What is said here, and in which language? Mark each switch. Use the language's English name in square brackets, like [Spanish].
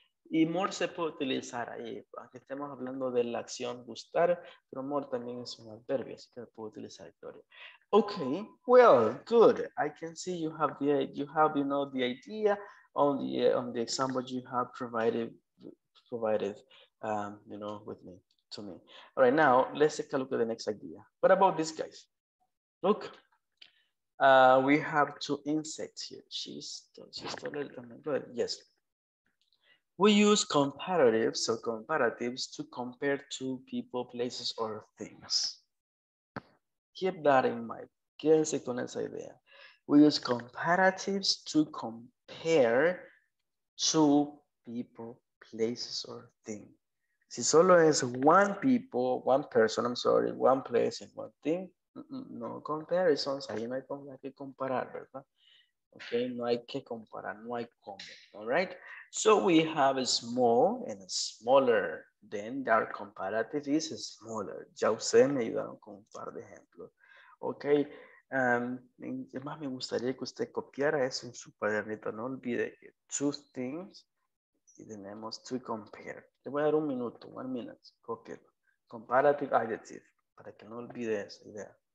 [Spanish] Y more se puede utilizar ahí, aunque estemos hablando de la acción gustar, pero more también es un adverbio, así que lo puedo utilizar. [English] Ok, well, good. I can see you have the idea on the example you have provided, you know, to me. All right, now let's take a look at the next idea. What about these guys? Look, we have two insects here. She's taller than my brother. Yes. We use comparatives or comparatives to compare two people, places, or things. Keep that in mind. [Spanish] Quédense con esa idea. [English] We use comparatives to compare two people, places, or things. [Spanish] Si solo es [English] one people, one person, I'm sorry, one place and one thing, no comparisons, [Spanish] ahí no hay que comparar, ¿verdad? Okay, no hay que comparar, no hay como, [English] all right? So we have a small and a smaller, then their comparative is smaller. [Spanish] Ya ustedes me ayudaron con un par de ejemplos. Okay, además me gustaría que usted copiara eso en su cuadernito, no olvide que [English] two things [Spanish] y tenemos [English] to compare. [Spanish] Le voy a dar un minuto, [English] 1 minute, [Spanish] cópielo. [English] Comparative adjective, [Spanish] para que no olvide esa idea.